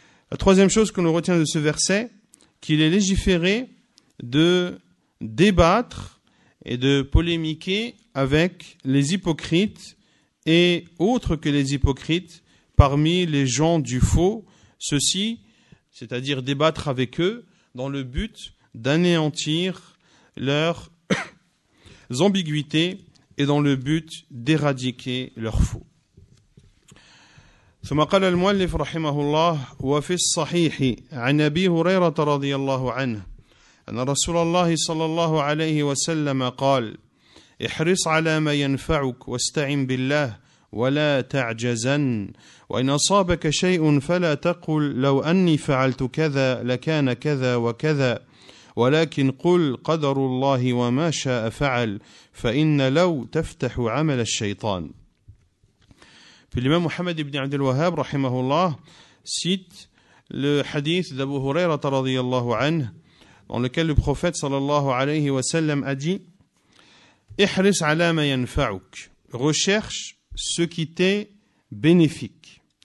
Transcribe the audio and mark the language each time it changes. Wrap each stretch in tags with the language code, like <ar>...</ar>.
<fr>La troisième chose que l'on retient de ce verset, qu'il est légiféré de débattre et de polémiquer avec les hypocrites et autres que les hypocrites parmi les gens du faux. Ceci, c'est-à-dire débattre avec eux dans le but d'anéantir leurs ambiguïtés et dans le but d'éradiquer leurs faux.</fr> <ar>ثم قال المؤلف رحمه الله وفي الصحيح عن أبي هريرة رضي الله عنه أن رسول الله صلى الله عليه وسلم قال احرص على ما ينفعك واستعن بالله ولا تعجزن وإن أصابك شيء فلا تقل لو أني فعلت كذا لكان كذا وكذا ولكن قل قدر الله وما شاء فعل فإن لو تفتح عمل الشيطان.</ar> <fr>Puis l'imam Mohammed ibn Abdel Wahhab, rahimahullah, cite le hadith d'Abu Huraira, radiyallahu anhu, dans lequel le prophète, sallallahu alayhi wa sallam, a dit «</fr> <ar>Ihris ala ma yanfa'uk</ar> <fr>»« Recherche ce qui t'est bénéfique</fr>